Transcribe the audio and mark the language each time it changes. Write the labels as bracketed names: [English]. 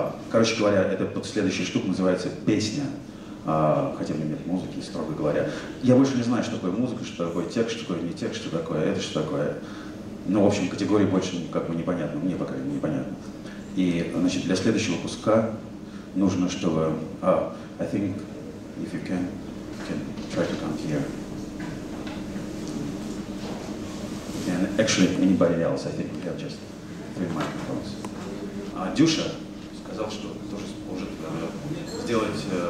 [Russian] Короче говоря, эта следующая штука называется «Песня», хотя у меня нет музыки, строго говоря. Я больше не знаю, что такое музыка, что такое текст, что такое не текст, что такое это, что такое. Ну, в общем, категория больше как бы непонятна, мне пока непонятно. И, значит, для следующего куска нужно, чтобы... [English] I think, if you can try to come here. And actually, anybody else, I think we have just three microphones. [Russian] Дюша сказал, что тоже сможет сделать...